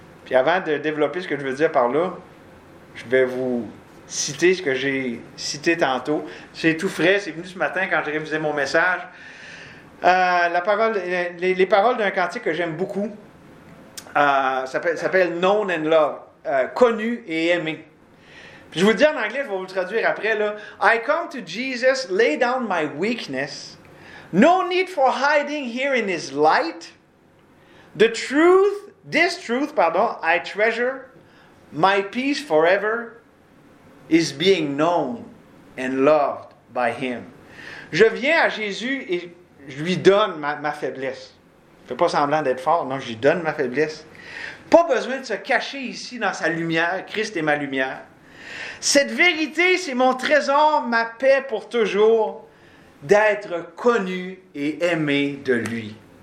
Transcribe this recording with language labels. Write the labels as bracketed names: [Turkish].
[French] Puis avant de développer ce que je veux dire par là, je vais vous citer ce que j'ai cité tantôt. C'est tout frais, c'est venu ce matin quand j'ai révisé mon message. Les paroles d'un cantique que j'aime beaucoup s'appelle Known and Loved, connu et aimé. Puis je vous le dis en anglais, je vais vous le traduire après là. [English] I come to Jesus, lay down my weakness. No need for hiding here in His light. The truth, this truth, pardon, I treasure. My peace forever is being known and loved by Him. [French] Je viens à Jésus et je lui donne ma faiblesse. Je ne fais pas semblant d'être fort, non, je lui donne ma faiblesse. Pas besoin de se cacher ici dans sa lumière, Christ est ma lumière. Cette vérité, c'est mon trésor, ma paix pour toujours, d'être connu et aimé de lui.